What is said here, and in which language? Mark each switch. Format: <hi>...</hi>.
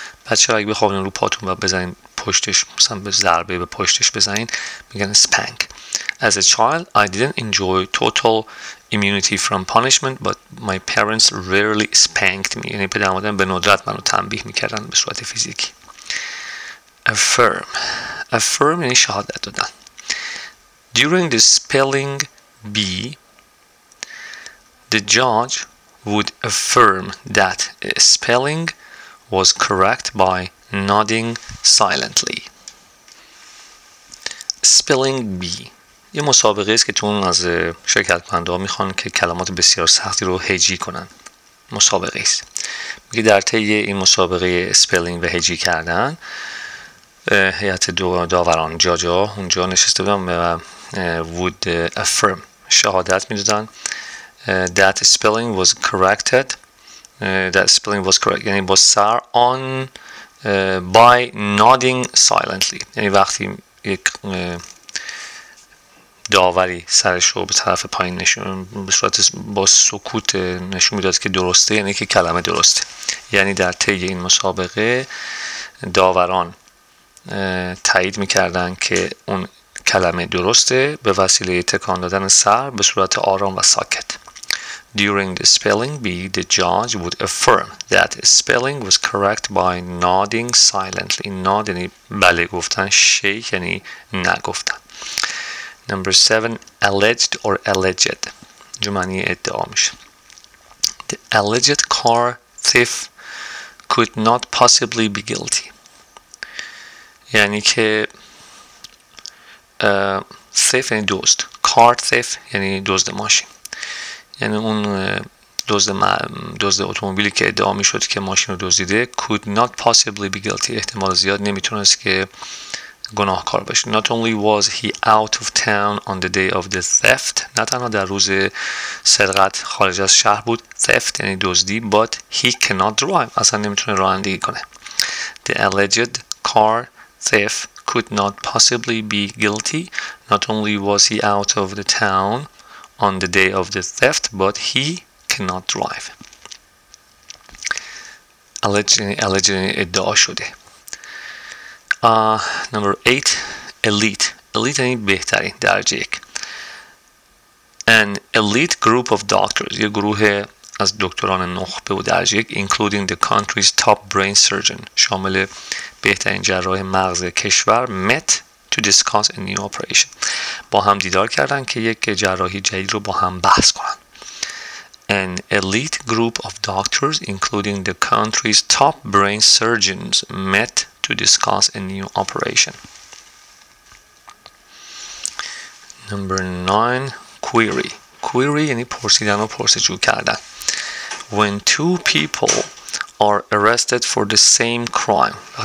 <fa>بچه را اگه بخوابین رو پاتون و بزنین پشتش، مثلا به ضربه به پشتش بزنین، میگن spank.</fa> <en>As a child I didn't enjoy total immunity from punishment but my parents rarely spanked me.</en> <fa>یعنی پدر مادرم به ندرت منو تنبیه میکردن به صورت فیزیکی. Affirm یعنی شهادت دادن.</fa> <en>During the spelling bee the judge would affirm that spelling was correct by nodding silently.</en> <fa>Spelling bee یه مسابقه است که چون از شرکت کننده ها میخوان که کلمات بسیار سختی رو هجی کنن، مسابقه است. میگه در طی این مسابقه spelling و هجی کردن هیئت داوران جاجا اونجا نشسته بودن و</fa> <en>would affirm،</en> <fa>شهادت میدادن</fa> <en>that spelling was corrected، that spelling was correct</en> <fa>یعنی با سر،</fa> <en>on by nodding silently،</en> <fa>یعنی وقتی یک داوری سرش رو به طرف پایین نشون به صورت با سکوت نشون میداد که درسته، یعنی که کلمه درسته. یعنی در طی این مسابقه داوران تایید میکردن که اون کلمه درسته به وسیله تکان دادن سر به صورت آرام و ساکت.</fa> <en>During the spelling bee, the judge would affirm that spelling was correct by nodding silently.</en> <fa>Nod یعنی بله گفتن، shake یعنی نگفتن.</fa> <en>Number 7, alleged or alleged.</en> <fa>جمعنی ادعا میشه.</fa> <en>The alleged car thief could not possibly be guilty.</en> <fa>یعنی که thief یعنی دزد. Car thief یعنی دزد ماشین. یعنی اون دزد اتومبیلی که ادعا میشد که ماشین رو دزدیده</fa> <en>could not possibly be guilty.</en> <fa>احتمال زیاد نمیتونست که گناهکار باشه.</fa> <en>Not only was he out of town on the day of the theft.</en> <fa>نه تنها در روز سرقت خارج از شهر بود.</fa> <en>Theft</en> <fa>یعنی دزدی.</fa> <en>But he cannot drive.</en> <fa>اصلا نمیتونه رانندگی کنه.</fa> <en>The alleged car thief could not possibly be guilty. Not only was he out of the town on the day of the theft. But he cannot drive.</en> <fa>Alleged ادعا شده.</fa> <en>Number 8,</en> <fa>elite یعنی بهترین، درجه یک.</fa> <en>An elite group of doctors،</en> <fa>یه گروه از دکتران نخبه و درجه یک،</fa> <en>including the country's top brain surgeon،</en> <fa>شامل بهترین جراح مغز کشور،</fa> <en>met to discuss a new operation،</en> <fa>با هم دیدار کردن که یک جراحی جدید رو با هم بحث کنن.</fa> <en>An elite group of doctors including the country's top brain surgeons met to discuss a new operation. Number 9, query.</en> <fa>Query یعنی پرسیدن و پرسجو کردن.</fa> <en>When two people are arrested for the same crime.</en>